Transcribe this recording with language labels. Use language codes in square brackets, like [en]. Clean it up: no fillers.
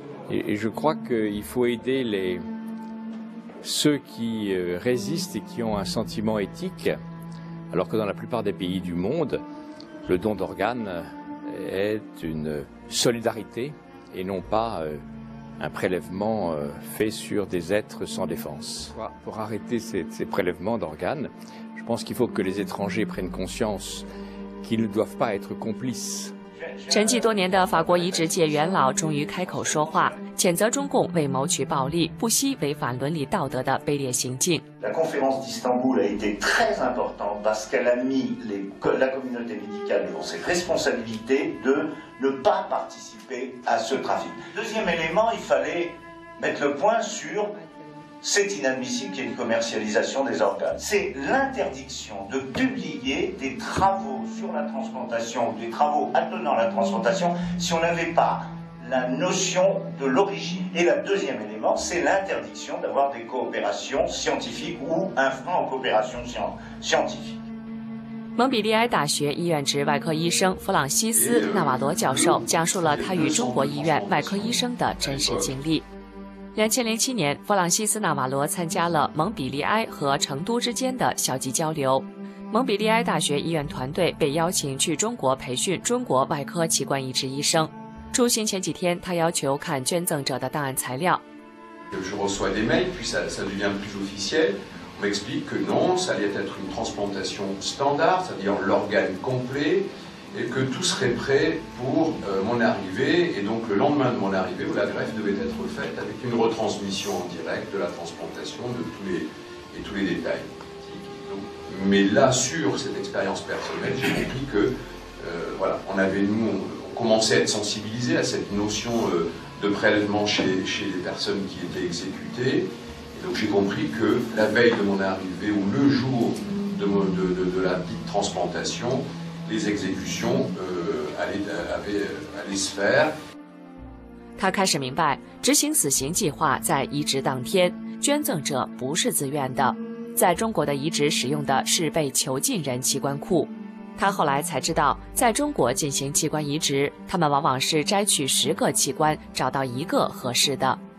[fr] Et je crois qu'il faut aider les... ceux qui résistent et qui ont un sentiment éthique, alors que dans la plupart des pays du monde, le don d'organes est une solidarité et non pas un prélèvement fait sur des êtres sans défense. Pour arrêter ces prélèvements d'organes, je pense qu'il faut que les étrangers prennent conscience qu'ils ne doivent pas être complices. [zh] 沉寂多年的法国移植界元老终于开口说话。谴责中共为谋取暴利，不惜违反伦理道德的卑劣行径。 [fr] La conférence d'Istanbul a été très importante parce qu'elle a mis la communauté médicale devant ses responsabilités de ne pas participer à ce trafic. Deuxième élément, il fallait mettre le point sur c'est inadmissible qu'il y ait une commercialisation des organes. C'est l'interdiction de publier des travaux sur la transplantation ou des travaux attenant à la transplantation si on n'avait pas. La notion de l'origine. Et le deuxième élément, c'est l'interdiction d'avoir des coopérations scientifiques ou un frein aux coopérations scientifiques. [zh] 蒙彼利埃大学医院职外科医生弗朗西斯·纳瓦罗教授讲述了他与中国医院外科医生的真实经历。 2007年，弗朗西斯·纳瓦罗参加了蒙彼利埃和成都之间的校级交流。蒙彼利埃大学医院团队被邀请去中国培训中国外科器官移植医生。出行前几天，他要求看捐赠者的档案材料。 [fr] Je reçois des mails, puis ça devient plus officiel. On m'explique que non, ça allait être une transplantation standard, c'est-à-dire l'organe complet, et que tout serait prêt pour mon arrivée. Et donc le lendemain de mon arrivée, où la greffe devait être faite, avec une retransmission en direct de la transplantation de tous les détails. Mais là, sur cette expérience personnelle, j'ai compris que voilà, on avait nous. Commencer à être sensibilisé à cette notion de prélèvement chez les personnes qui étaient exécutées. Et donc j'ai compris que la veille de mon arrivée ou le jour de la dite transplantation, les exécutions allaient se faire. [zh] 他开始明白，执行死刑计划在移植当天，捐赠者不是自愿的，在中国的移植使用的是被囚禁人器官库。他后来才知道，在中国进行器官移植，他们往往是摘取十个器官，找到一个合适的。